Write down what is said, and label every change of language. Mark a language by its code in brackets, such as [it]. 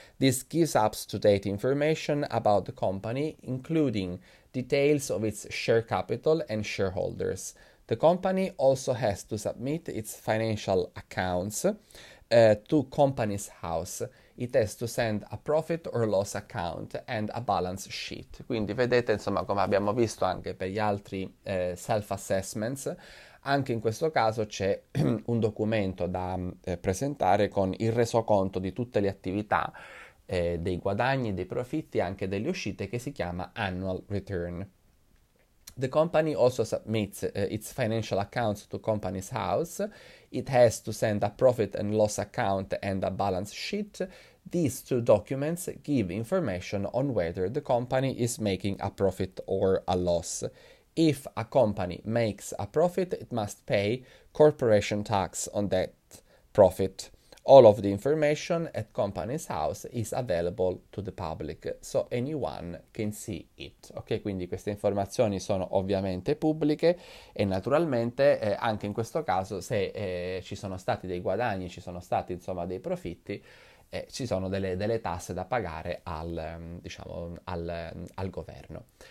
[en] This gives up-to-date information about the company, including details of its share capital and shareholders. The company also has to submit its financial accounts, to company's house. It has to send a profit or loss account and a balance sheet. [it] Quindi vedete, insomma, come abbiamo visto anche per gli altri self-assessments, anche in questo caso c'è un documento da presentare con il resoconto di tutte le attività, dei guadagni, dei profitti e anche delle uscite che si chiama annual return. [en] The company also submits its financial accounts to company's house. It has to send a profit and loss account and a balance sheet. These two documents give information on whether the company is making a profit or a loss. If a company makes a profit, it must pay corporation tax on that profit. All of the information at company's house is available to the public, so anyone can see it. [it] Ok, quindi queste informazioni sono ovviamente pubbliche e naturalmente anche in questo caso se ci sono stati dei guadagni, ci sono stati insomma dei profitti, ci sono delle tasse da pagare diciamo, al governo.